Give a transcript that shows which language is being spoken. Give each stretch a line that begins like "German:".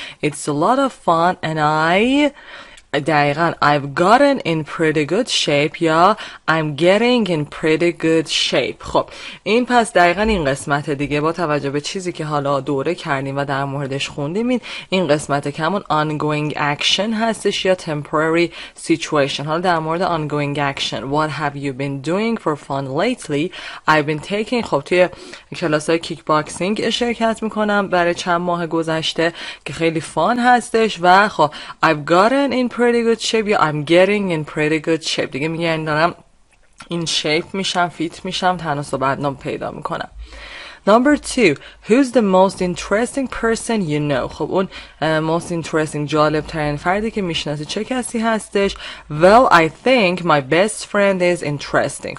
English: It's a lot of fun and I دقیقاً I've gotten in pretty good shape یا I'm getting in pretty good shape.
Persian: خب این پس دقیقاً این قسمت دیگه با توجه به چیزی که حالا دوره کردیم و در موردش خوندیم، این قسمت کمون ongoing action هستش یا temporary situation. حالا در مورد
English: ongoing action what have you been doing for fun lately. I've been taking،
Persian: خب توی کلاسای کیکباکسینگ شرکت میکنم برای چند ماه گذشته که خیلی فان هستش و خب
English: I've gotten in pretty good shape
Persian: یا
English: I'm getting in pretty good shape
Persian: دیگه میگن دارم این shape میشم، fit میشم، تناسب بدنم پیدا میکنم.
English: Number 2 who's the most interesting person you know.
Persian: خب اون most interesting جالب ترین فردی که میشناسی چه کسی هستش.
English: Well I think my best friend is interesting.